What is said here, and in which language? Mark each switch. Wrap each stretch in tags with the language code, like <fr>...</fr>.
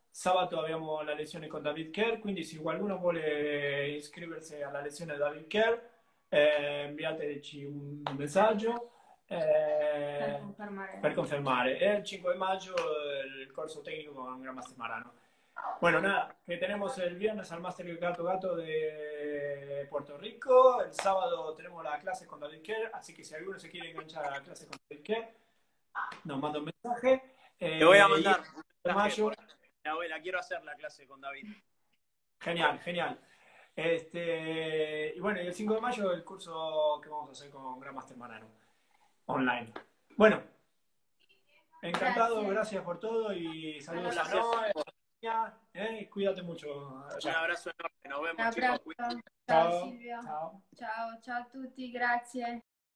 <it>Sabato abbiamo la lezione con David Kerr. Quindi se qualcuno vuole iscriversi alla lezione di David Kerr, inviateci un messaggio per confermare. E il 5 maggio il corso tecnico con Gran Master Marano.</it> <es>Bueno, nada, que tenemos el viernes al Master Gato Gato de Puerto Rico, el sábado tenemos la clase con David Kerr, así que si alguno se quiere enganchar a la clase con David Kerr, nos manda un mensaje. Le voy a mandar mayo. La abuela, quiero hacer la clase con David. Genial, genial. Y bueno, y el 5 de mayo el curso que vamos a hacer con Gran Master Marano, online. Bueno, encantado, gracias por todo y saludos a Noé. Cuídate mucho. Un abrazo enorme, nos vemos, chicos.</es> <it>Ciao, ciao Silvio. Ciao. Ciao a tutti, grazie.</it>